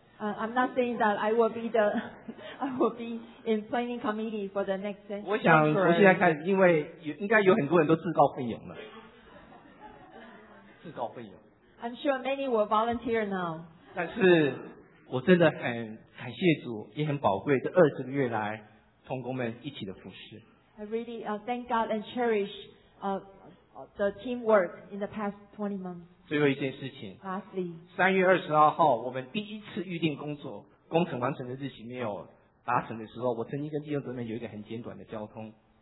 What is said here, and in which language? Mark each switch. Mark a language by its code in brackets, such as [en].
[en] I'm not saying that I will be in planning committee for the next century. [zh] 我想从现在开始，因为应该有很多人都自告奋勇了。自告奋勇。 [en] I'm sure many will volunteer now. [zh] 但是我真的很感谢主，也很宝贵这二十个月来同工们一起的服侍。 [en] I really thank God and cherish the teamwork in the past 20 months. [zh] 最后一件事情。 [en] Lastly. [zh] 3月22号我们第一次预定工作工程完成的日期没有达成的时候，我曾经跟弟兄姊妹有一个很简短的交通。